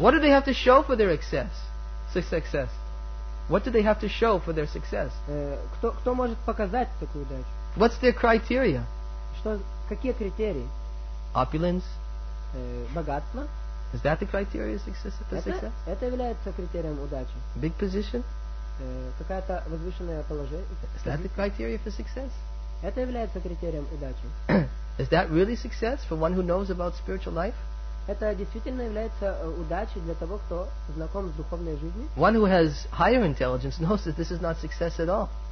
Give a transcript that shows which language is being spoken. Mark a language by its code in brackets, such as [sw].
[en] What do they have to show for their success? What do they have to show for their success? [ru] Кто может показать такую удачу? [en] What's their criteria? [ru] Что, какие критерии? [en] Opulence? [ru] Богатство? [en] Is that the criteria of success? [ru] Это является критерием удачи. [en] Big position? [ru] Какое-то возвышенное положение. [en] Is that the criteria for success? [ru] Это является критерием удачи. [en] Is that really success for one who knows about spiritual life? [ru] Это действительно является удачей для того, кто знаком с духовной жизнью. [en] One who has higher intelligence knows that this is not success at all.